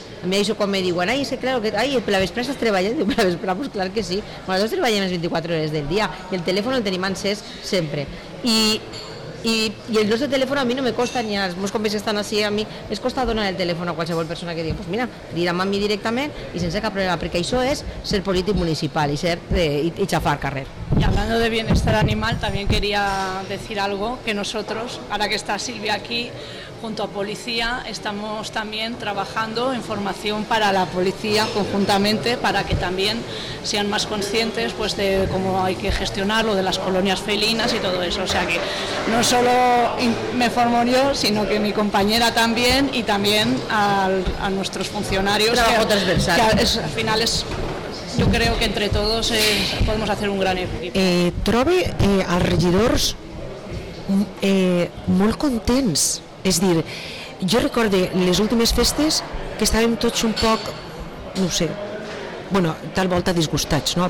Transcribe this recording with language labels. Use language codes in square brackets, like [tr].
[ca] A mi això quan me diuen, ai, és que clar, per la vespre estàs treballant, diu, per la vespre, pues clar que sí, nosaltres treballem les 24 hores del dia, i el telèfon el tenim encès sempre. I el nostre telèfon a mi no me costa, ni als meus companys que estan així, a mi es costa donar el telèfon a qualsevol persona que diu, pues mira, dirà'm a mi directament i sense cap problema, perquè això és ser polític municipal i ser i xafar carrer. [es] Y hablando de bienestar animal, también quería decir algo, que nosotros, ahora que está Silvia aquí, junto a policía, estamos también trabajando en formación para la policía conjuntamente, para que también sean más conscientes pues de cómo hay que gestionar lo de las colonias felinas y todo eso. O sea que no solo me formo yo, sino que mi compañera también, y también a nuestros funcionarios. Trabajo transversal. Al final es... [ca] Jo crec que entre tots podem fer un gran equip. Trobe els regidors molt contents. És dir, jo recorde les últimes festes que estàvem tots un poc, no ho sé, bueno, tal volta disgustats, no?